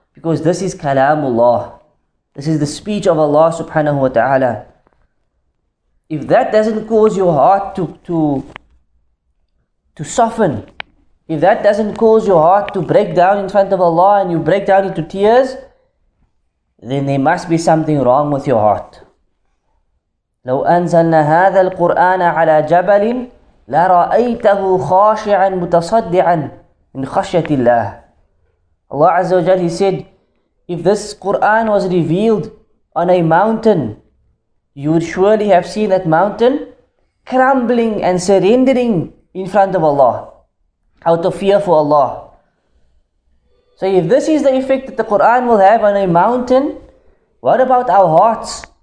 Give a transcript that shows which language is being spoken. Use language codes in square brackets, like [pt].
[en] Because this is kalamullah. This is the speech of Allah subhanahu wa ta'ala. If that doesn't cause your heart to soften, if that doesn't cause your heart to break down in front of Allah and you break down into tears, then there must be something wrong with your heart. [ar] لو أنزلنا هذا القرآن على جبل لرأيته خاشعا متصدعا من خشية الله. [en] Allah Azza wa Jal, he said, if this Quran was revealed on a mountain, you would surely have seen that mountain crumbling and surrendering in front of Allah, out of fear for Allah. So if this is the effect that the Quran will have on a mountain, what about our hearts?